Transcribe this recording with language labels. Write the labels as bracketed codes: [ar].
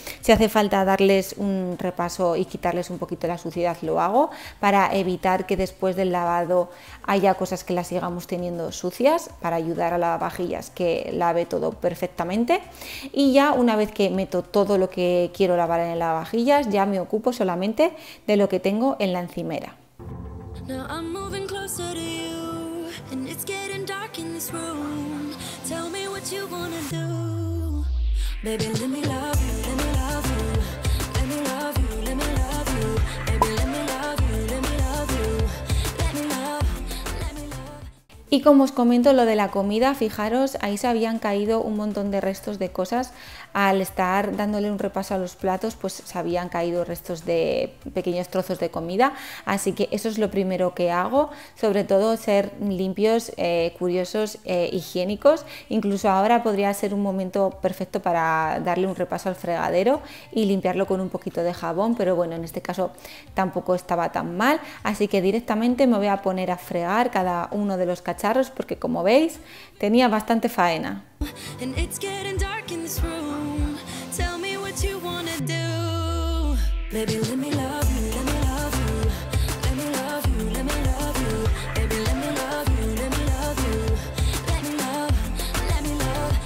[es] Si hace falta darles un repaso y quitarles un poquito la suciedad, lo hago para evitar que después del lavado haya cosas que las sigamos teniendo sucias, para ayudar a la lavavajillas que lave todo perfectamente. Y ya una vez que meto todo lo que quiero lavar en el lavavajillas, ya me ocupo solamente de lo que tengo en la encimera. [en] Now I'm moving closer to you, and it's getting dark in this room. Tell me what you wanna do. Baby, let me love you, let me love you. Let me love you, let me love you. Baby, let me love you, let me love you. Let me love, let me love. [es] Y como os comento lo de la comida, fijaros, ahí se habían caído un montón de restos de cosas. Al estar dándole un repaso a los platos, pues se habían caído restos de pequeños trozos de comida, así que eso es lo primero que hago, sobre todo ser limpios, curiosos, higiénicos. Incluso ahora podría ser un momento perfecto para darle un repaso al fregadero y limpiarlo con un poquito de jabón, pero bueno, en este caso tampoco estaba tan mal, así que directamente me voy a poner a fregar cada uno de los cacharros, porque como veis tenía bastante faena. [en] And it's getting dark in this room. Tell me what you wanna do. Baby, let me love you, let me love you. Let me love you, let me love you. Baby, let me love you, let me love you. Let me love, let me love.